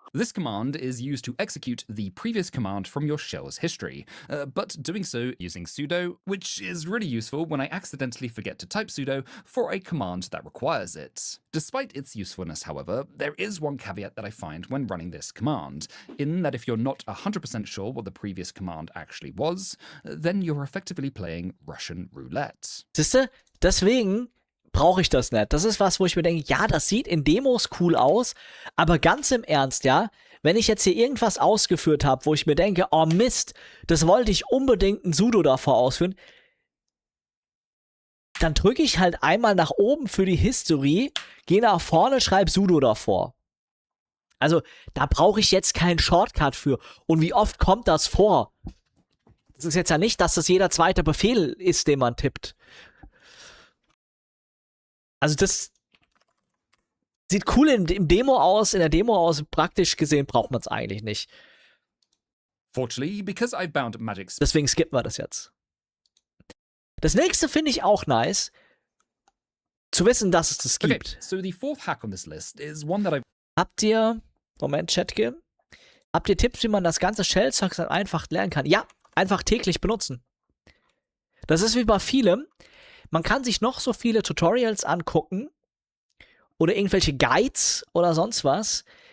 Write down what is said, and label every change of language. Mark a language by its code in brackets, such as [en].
[en] This command is used to execute the previous command from your shell's history, but doing so using sudo, which is really useful when I accidentally forget to type sudo for a command that requires it. Despite its usefulness, however, there is one caveat that I find when running this command, in that if you're not 100% sure what the previous command actually was, then you're effectively playing Russian roulette. [de] Siehste, deswegen brauche ich das nicht. Das ist was, wo ich mir denke, ja, das sieht in Demos cool aus, aber ganz im Ernst, ja, wenn ich jetzt hier irgendwas ausgeführt habe, wo ich mir denke, oh Mist, das wollte ich unbedingt ein Sudo davor ausführen, dann drücke ich halt einmal nach oben für die History, gehe nach vorne, schreibe Sudo davor. Also, da brauche ich jetzt keinen Shortcut für. Und wie oft kommt das vor? Das ist jetzt ja nicht, dass das jeder zweite Befehl ist, den man tippt. Also das sieht cool im Demo aus, in der Demo aus, praktisch gesehen braucht man es eigentlich nicht. [en] Fortunately, because I bound magic. [de] Deswegen skippen wir das jetzt. Das nächste finde ich auch nice. zu wissen, dass es das gibt. [en] Okay, so the fourth hack on this list is one that I've... [de] Habt ihr, Moment, Chatke, habt ihr Tipps, wie man das ganze Shell-Zeug einfach lernen kann? Ja, einfach täglich benutzen. Das ist wie bei vielem. Man kann sich noch so viele Tutorials angucken oder irgendwelche Guides oder sonst was.